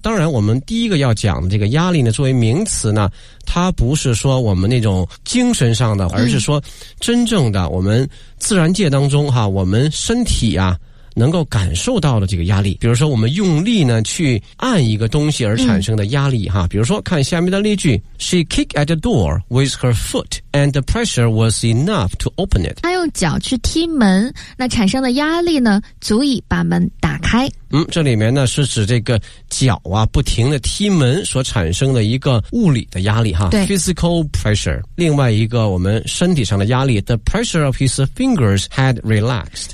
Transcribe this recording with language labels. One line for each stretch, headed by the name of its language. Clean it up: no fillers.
Chinese: 当然我们第一个要讲的这个压力呢作为名词呢，它不是说我们那种精神上的，而是说真正的我们自然界当中哈，我们身体啊能够感受到的这个压力。比如说我们用力呢去按一个东西而产生的压力哈。比如说看下面的例句
English: She kicked at the door with her foot and the pressure was enough to open it.
Chinese: 她用脚去踢门，那产生的压力呢足以把门打开。嗯，这里面呢是指这个脚啊不停的踢门所产生的一个物理的压力哈。对，
English: Physical pressure.
Chinese: 另外一个我们身体上的压力
English: The pressure of his fingers had relaxed.